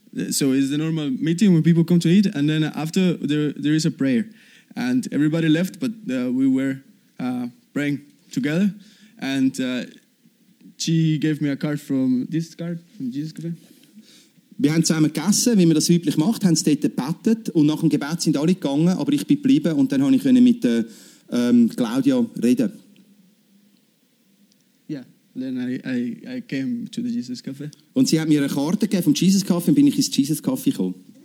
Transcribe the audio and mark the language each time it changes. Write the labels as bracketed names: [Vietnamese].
[English] So it's the normal meeting when people come to eat, and then after there is a prayer, and everybody left, but we were praying together, and. She gave me a card from Jesus. [German] Wir haben zusammen gegessen, wie man das üblich macht, haben es dort gebetet und nach dem Gebet sind alle gegangen, aber ich bin geblieben und dann konnte ich mit Claudia reden. [English] Then I came to the Jesus Cafe. [German] Und sie hat mir eine Karte gegeben vom Jesus Cafe und bin ich ins Jesus Cafe gekommen.